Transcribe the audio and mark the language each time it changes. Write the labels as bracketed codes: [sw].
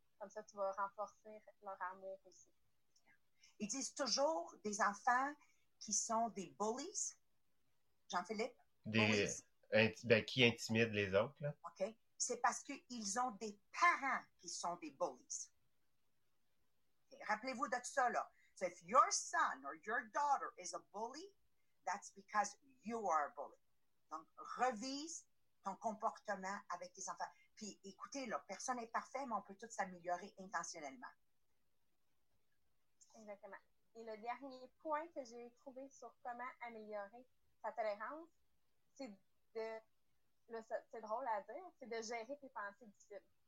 [fr] Comme ça, tu vas renforcer leur amour aussi. Ils disent toujours des enfants qui sont des bullies. Jean-Philippe? Qui intimident les autres, là. OK. C'est parce qu'ils ont des parents qui sont des bullies. Okay. Rappelez-vous de ça, là. [en] So if your son or your daughter is a bully, that's because you are a bully. [fr] Donc, revise ton comportement avec tes enfants. Puis, écoutez, là, personne n'est parfait, mais on peut tous s'améliorer intentionnellement. Exactement. Et le dernier point que j'ai trouvé sur comment améliorer sa tolérance, c'est drôle à dire, c'est de gérer tes pensées difficiles.